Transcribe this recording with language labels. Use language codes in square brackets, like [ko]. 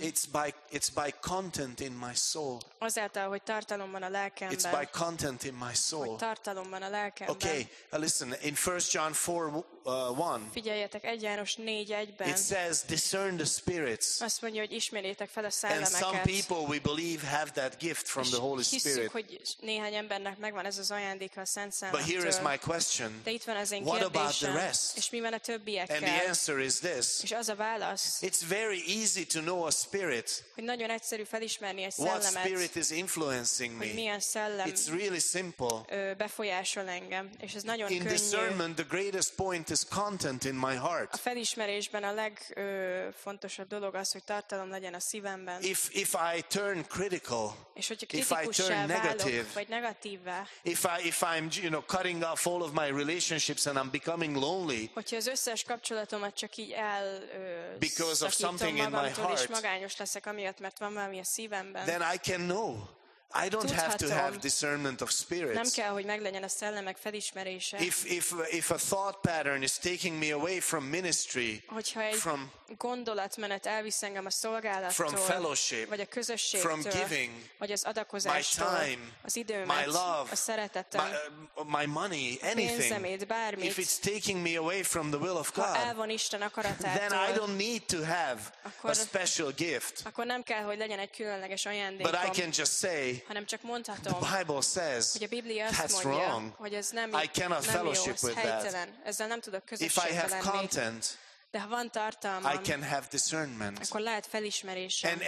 [en] It's by content in my soul. [hu] Azáltal, hogy tartalom van a lelkemben. [en] It's by content in my soul. [hu] Hogy tartalom van a lelkemben. [en] Okay, listen, in 1 John 4:1. [hu] Figyeljetek 1 János 4:1-ben. [en] It says, discern the spirits. [hu] Azt mondja, hogy ismerjétek fel a szellemeket. [en] And some people we believe have that gift from the Holy Spirit. [hu] Hogy néhány embernek megvan ez az ajándéka a Szent Szellemtől. [en] But here is my question. [hu] De itt van az én kérdésem. [en] What about the rest? [hu] És mi van a többiekkel? [en] And the answer is this. [hu] És az a válasz. [en] It's very easy to know a spirit. [hu] Hogy nagyon egyszerű felismerni egy szellemet. [en] What spirit is influencing me? [hu] Hogy milyen szellem. [en] It's really simple. [hu] Befolyásol engem, és ez nagyon könnyű. [en] In discernment, the greatest point is content in my heart. [hu] A felismerésben a legfontosabb dolog az, hogy tartalom legyen a szívemben. [en] If I turn critical, [hu] és hogyha kritikussá válok, vagy negatívvá, [en] if I'm you know cutting off all of my relationships and I'm becoming lonely, [hu] hogyha az összes kapcsolatomat csak így el [en] because of something in my heart, [hu] és magányos leszek amiatt, mert van valami a szívemben, [en] then I can know. I don't [hu] tudhatom, [en] have to have discernment of spirits. [hu] Nem kell, hogy meglegyen a szellemek felismerése. [en] If a thought pattern is taking me away from ministry, from [hu] gondolatmenet elvisz engem a szolgálattól, [en] from fellowship, [hu] vagy a közösségtől, [en] from giving, [hu] vagy az adakozástól, [en] my time, [hu] az időmet, [en] my love, [hu] a szeretetem, [en] my money, anything, [hu] pénzemét, bármit, [en] if it's taking me away from the will of God, [hu] ha elvon Isten akaratától, [en] then I don't need to have a special gift. [hu] Akkor nem kell, hogy legyen egy különleges ajándékom. [en] But I can just say, [hu] hanem csak mondhatom, [en] the Bible says, [hu] hogy a Biblia azt [en] that's [hu] mondja, [en] wrong. [hu] Hogy ez nem, [en] I cannot [hu] nem [en] fellowship [hu] jó, [en] with that. [hu] Ezzel nem tudok közösségbe [en] if I have [hu] lenni. [en] Content, [hu] de ha van tartalmam, [en] I can have discernment. [hu] Akkor lehet felismerésem.